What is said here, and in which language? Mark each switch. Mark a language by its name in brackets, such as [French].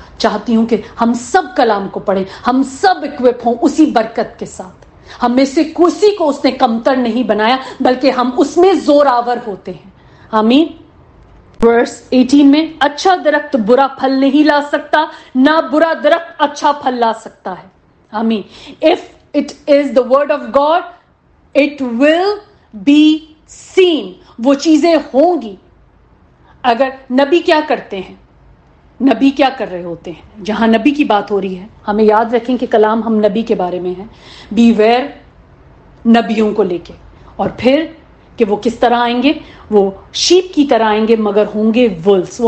[Urdu] چاہتی ہوں کہ ہم سب کلام کو پڑھیں, ہم سب اکوپ ہوں اسی برکت کے ساتھ. ہم میں سے کسی کو اس نے کمتر نہیں بنایا بلکہ ہم اس میں زور آور ہوتے ہیں. آمین. ورس 18 میں, اچھا درخت برا پھل نہیں لا سکتا نہ برا درخت اچھا پھل لا سکتا ہے. آمین. [English] If it is the word of God, it will be seen. [Urdu] وہ چیزیں ہوں گی. اگر نبی کیا کرتے ہیں, نبی کیا کر رہے ہوتے ہیں, جہاں نبی کی بات ہو رہی ہے ہمیں یاد رکھیں کہ کلام ہم نبی کے بارے میں ہے. [English] beware [Urdu] نبیوں کو لے کے, اور پھر کہ وہ کس طرح آئیں گے, وہ شیپ کی طرح آئیں گے مگر ہوں گے وولز.